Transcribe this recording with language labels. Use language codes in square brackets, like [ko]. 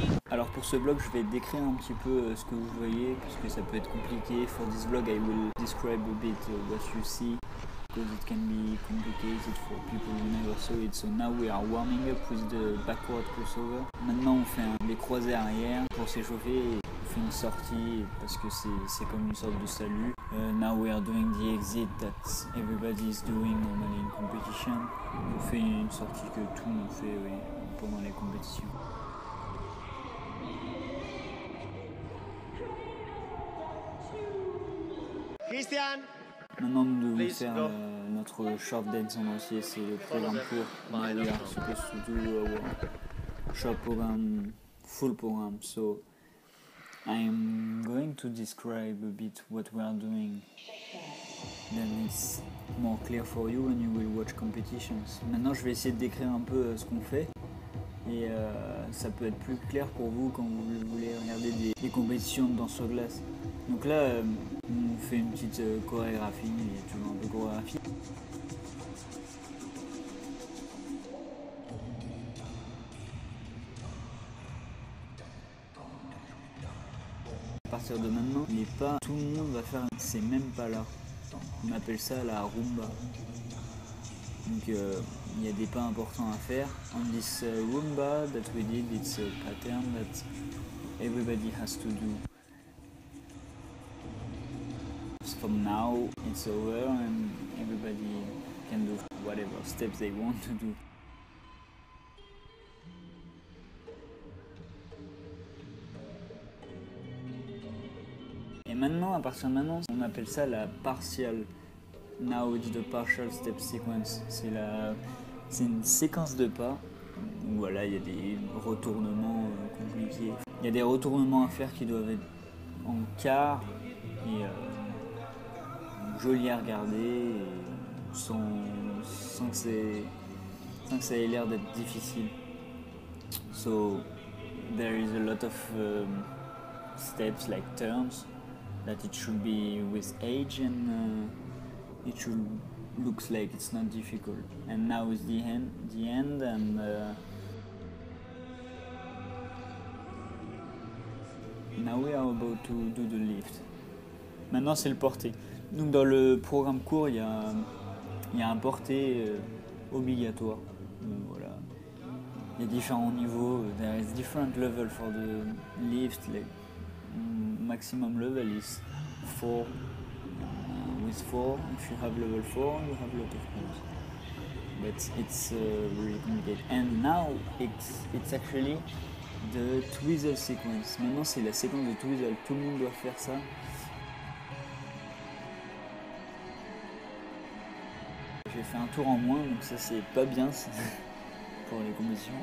[fr] Alors pour ce vlog, je vais décrire un petit peu ce que vous voyez puisque ça peut être compliqué. [en] For this vlog, I will describe a bit what you see because it can be complicated for people who never saw it. So now we are warming up with the backward crossover. [fr] Maintenant, on fait les croisés arrière pour s'échauffer. Fait une sortie parce que c'est comme une sorte de salut. [en] Now we are doing the exit that everybody is doing normally in competition. [fr] On fait une sortie que tout le monde fait, oui, pendant les compétitions. Christian, maintenant nous devons [en] please [fr] faire notre short dance en entier, c'est le programme court. [en] We are supposed to do our short program, full program. So I am going to describe a bit what we are doing, then it's more clear for you when you will watch competitions. [fr] Maintenant je vais essayer de décrire un peu ce qu'on fait et ça peut être plus clair pour vous quand vous voulez regarder des compétitions de danse sur glace. Donc là on fait une petite chorégraphie, il y a toujours un peu de chorégraphie. À partir de maintenant, les pas, tout le monde va faire ces mêmes pas-là. On appelle ça la rumba. Donc il y a des pas importants à faire. [en] On this rumba that we did, it's a pattern that everybody has to do. So from now, it's over and everybody can do whatever steps they want to do. [fr] Maintenant, à partir de maintenant, on appelle ça la partielle. [en] Now it's the partial step sequence. [fr] C'est une séquence de pas où voilà, il y a des retournements compliqués. Il y a des retournements à faire qui doivent être en quart et jolis à regarder et sans que ça ait l'air d'être difficile. [en] So, there is a lot of steps like turns. That it should be with age and it should looks like it's not difficult. And now is the end and now we are about to do the lift. [fr] Maintenant c'est le porté. Donc dans le programme court il y a un porté obligatoire. Donc, voilà. Il y a différents niveaux. [en] There is different level for the lift. Like, maximum level is 4, with 4, if you have level 4, you have a lot of points, but it's really complicated. And now, it's actually the twizzle sequence. [fr] Maintenant, c'est la séquence de twizzle, tout le monde doit faire ça. J'ai fait un tour en moins, donc ça c'est pas bien pour les compétitions.